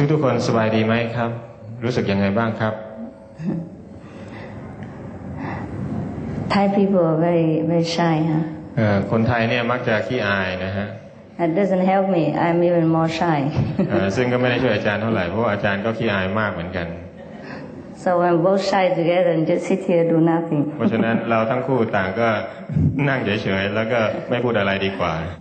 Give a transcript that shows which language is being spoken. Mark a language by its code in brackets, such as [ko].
[th] ทุกคนสบายดีไหมครับรู้สึกยังไงบ้างครับ [en] Thai people are very shy, huh? [th] คนไทยเนี่ยมักจะขี้อายนะฮะ [en] That doesn't help me. I'm even more shy. [th] ซึ่งก็ไม่ได้ช่วยอาจารย์เท่าไหร่เพราะอาจารย์ก็ขี้อายมากเหมือนกัน [en] So we're both shy together and just sit here do nothing. [th] เพราะฉะนั้นเราทั้งคู่ต่างก็นั่งเฉยๆแล้วก็ไม่พูดอะไรดีกว่า